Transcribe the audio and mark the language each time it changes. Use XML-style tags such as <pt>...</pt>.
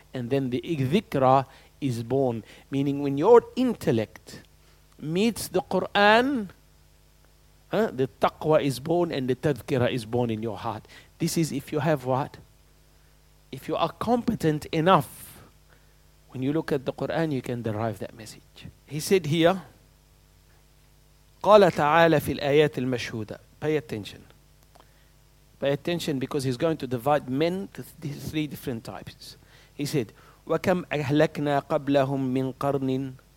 <en>And then the dhikra is born. Meaning when your intellect meets the Quran, the taqwa is born and the tadhkira is born in your heart. This is if you have what? If you are competent enough, when you look at the Quran, you can derive that message. He said here,</en> <ar>قَالَ تَعَالَى فِي الْآيَاتِ الْمَشْهُودَةِ.</ar> <en>Pay attention. Pay attention because he's going to divide men to three different types. He said,</en> <ar>وَكَمْ أَهْلَكْنَا قَبْلَهُمْ مِنْ قَرْنٍ.</ar>